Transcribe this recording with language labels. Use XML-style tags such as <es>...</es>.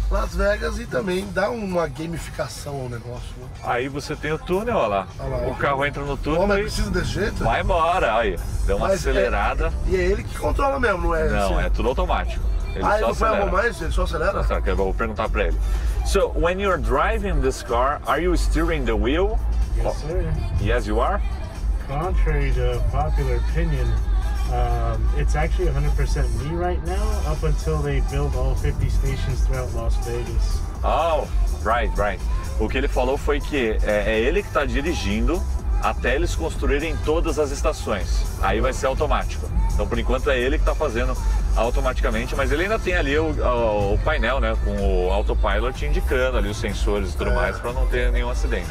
<pt>Las Vegas, e também dá uma gamificação ao negócio. Né? Aí você tem o túnel, olha lá. Olha lá, o carro entra no túnel. O homem precisa desse jeito? Vai embora, olha aí. Deu uma acelerada. E é ele que controla mesmo, não é? Não, assim, é tudo automático. Ele só acelera. Ah, ele não vai arrumar isso? Ele só acelera? Tá, eu vou perguntar pra ele.</pt> <en>So, when you're driving this car, are you steering the wheel? Yes, sir. Yes, you are? Contrary to popular opinion, it's actually 100% me right now, up until they build all 50 stations throughout Las Vegas. Oh, right.</en> <pt>O que ele falou foi que é ele que está dirigindo até eles construírem todas as estações. Aí vai ser automático. Então, por enquanto, é ele que está fazendo automaticamente, mas ele ainda tem ali o painel, né, com o autopilot indicando ali os sensores e tudo mais para não ter nenhum acidente.</pt>